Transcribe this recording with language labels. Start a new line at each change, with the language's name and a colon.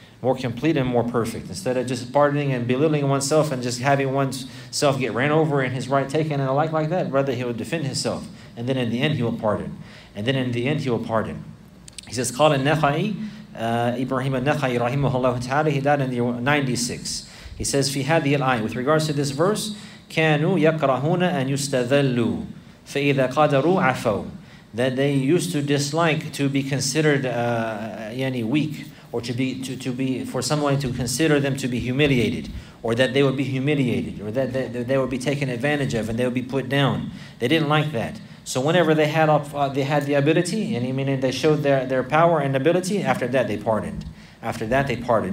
English: More complete and more perfect. Instead of just pardoning and belittling oneself and just having oneself get ran over and his right taken and the like that, rather he will defend himself. And then in the end, he will pardon. He says,
Arabic: قَالَ النَّخَعِي
English: Ibrahim al-Nakhai rahimahullah ta'ala, he died in the 96. He says,
Arabic: في هذه الآية,
English: with regards to this verse,
Arabic: كانوا يكرهون أن يستذلوا فإذا قدروا عفوا.
English: That they used to dislike to be considered weak, or to be for someone to consider them to be humiliated, or that they would be humiliated, or that they would be taken advantage of and they would be put down. They didn't like that. So whenever they had the ability, and meaning they showed their power and ability, after that they pardoned. After that they pardoned.